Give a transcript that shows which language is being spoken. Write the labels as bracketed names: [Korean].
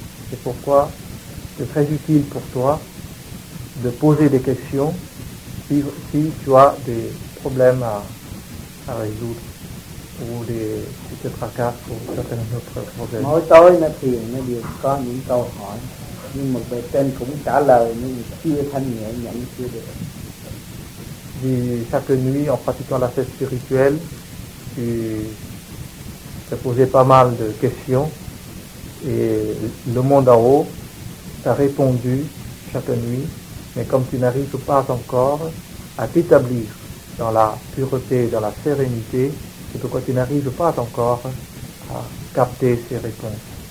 [French] C'est pourquoi c'est très utile pour toi de poser des questions si tu as des problèmes à résoudre ou des petits tracas ou certains autres problèmes. [Vietnamese] Mỗi tối nó thiền nó đều có những câu hỏi, nhưng mà về trên cũng trả lời nhưng chưa thanh nhẹ nhận chưa được. Vì [French] chaque nuit en pratiquant la fête spirituelle, tu t'as posé pas mal de questions et le monde en haut t'a répondu chaque nuit. Mais comme tu n'arrives pas encore à t'établir dans la pureté, dans la sérénité, c'est pourquoi tu n'arrives pas encore à capter ces réponses.